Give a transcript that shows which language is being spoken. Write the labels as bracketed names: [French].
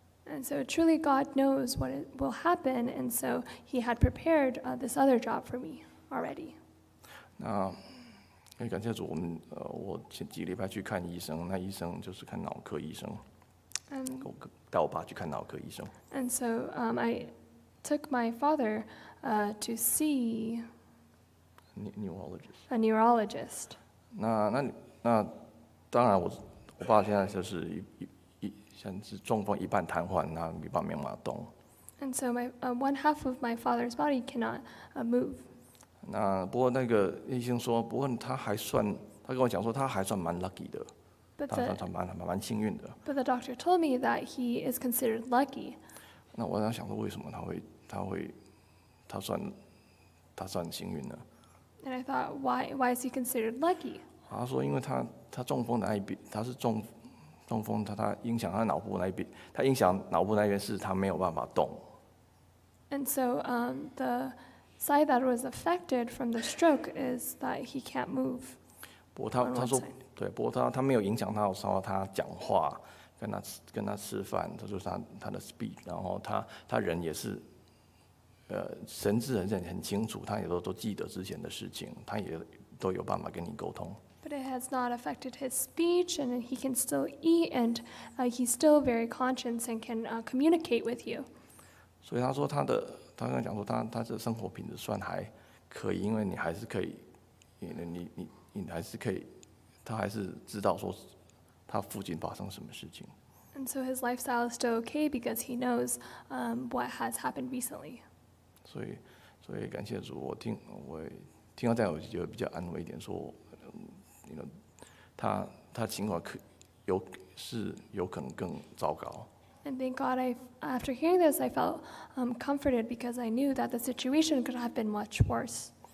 [English] And so truly God knows what will happen, and so he had prepared this other job for me already. [Chinese] 那很感谢主，我们我前几个礼拜去看医生，那医生就是看脑科医生，我带我爸去看脑科医生。 [English] And so I took my father to see a neurologist. [Chinese] 那当然我爸现在就是一像是中风一半瘫痪，那一半没办法动。 [English] And so my one half of my father's body cannot move. [Chinese] 那不过那个医生说，不过他还算，他跟我讲说他还算蛮 lucky 的。 [English] But the doctor told me that he is considered lucky. [Chinese] 那我在想说，为什么他算幸运呢 [English] ？And I thought, why is he considered lucky? [Chinese] 他说，因为他中风的那一边，他是中风，他影响他脑部那一边，他影响脑部那边是他没有办法动。 [English] And so, the side that was affected from the stroke is that he can't move. [Chinese] 不过他说。对，不过他没有影响到说他讲话，跟他吃饭，他就是他的 speech， 然后他人也是，神志很清楚，他也都记得之前的事情，他也都有办法跟你沟通。 [English] But it has not affected his speech, and he can still eat, and he's still very conscious and can communicate with you. [Chinese] 所以他说他刚讲说他的生活品质算还可以，因为你还是可以，你还是可以。他还是知道说他父亲发生什么事情。 [English] And so his lifestyle is still okay because he knows, what has happened recently. [Chinese] 所以感谢主，我听到这样，我就比较安慰一点，说，他情况有可能更糟糕。 [English] And thank God, after hearing this, I felt, comforted because I knew that the situation could have been much worse.